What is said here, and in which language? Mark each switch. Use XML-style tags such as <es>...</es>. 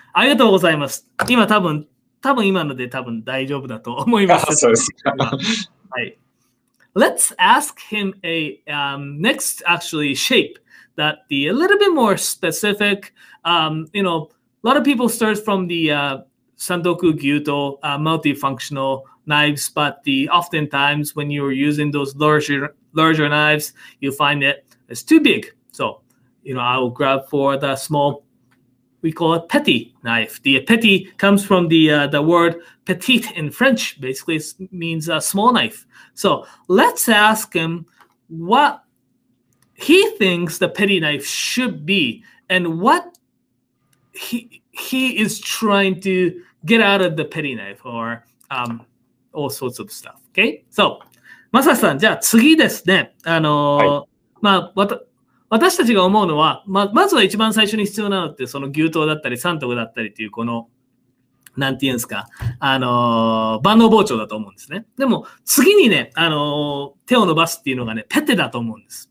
<ja>ありがとうございます。今多分今ので多分大丈夫だと思います。そうですか。はい。</ja> <en>Let's ask him a next actually shape that the a little bit more specific. You know, a lot of people start from the Santoku Gyuto multifunctional knives, but the oftentimes when you're using those larger knives, you find it is too big. So, you know, I will grab for the small. We call it petit knife. The petit comes from the word petit in French. Basically, it means a small knife. So let's ask him what he thinks the petit knife should be and what he is trying to get out of the petit knife or all sorts of stuff. Okay? So, Masa-san,</en> <ja>じゃあ次ですね。はい。まあ、私たちが思うのは、まずは一番最初に必要なのって、その牛刀だったり、三徳だったりっていう、この、なんて言うんですか、万能包丁だと思うんですね。でも、次にね、手を伸ばすっていうのがね、ペテだと思うんです。</ja>